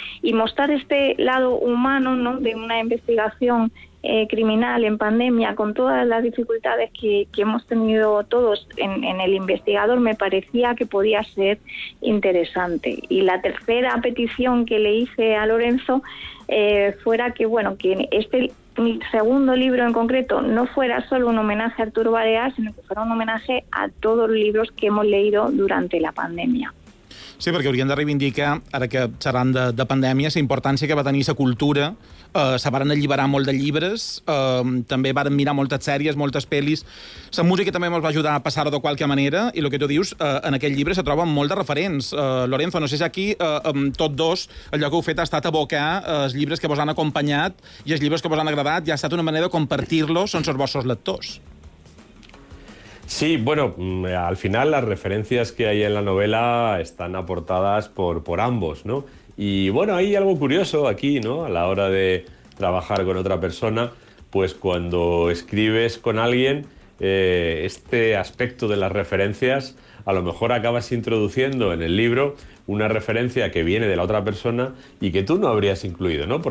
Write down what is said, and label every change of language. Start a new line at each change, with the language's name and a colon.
Spanish: Y mostrar este lado humano, ¿no?, de una investigación criminal en pandemia, con todas las dificultades que hemos tenido todos en el investigador, me parecía que podía ser interesante. Y la tercera petición que le hice a Lorenzo fuera que, bueno, que este segundo libro en concreto no fuera solo un homenaje a Arturo Barea, sino que fuera un homenaje a todos los libros que hemos leído durante la pandemia.
Catalan: Sí, perquè hauríem de reivindicar, ara que xerrant de pandèmia, la importància que va tenir la cultura. Se varen alliberar molt de llibres, també varen mirar moltes sèries, moltes pel·lis. La música també ens va ajudar a passar-ho de qualque manera, i el que tu dius, en aquell llibre se troben molt de referents. Lorenzo, no sé si aquí, tots dos, allò que heu fet ha estat abocar els llibres que vos han acompanyat i els llibres que vos han agradat, i ha estat una manera de compartir-los amb els vostres lectors.
Spanish: Sí, bueno, al final las referencias que hay en la novela están aportadas por ambos, ¿no? Y bueno, hay algo curioso aquí, ¿no? A la hora de trabajar con otra persona, pues cuando escribes con alguien, este aspecto de las referencias, a lo mejor acabas introduciendo en el libro una referencia que viene de la otra persona y que tú no habrías incluido, ¿no?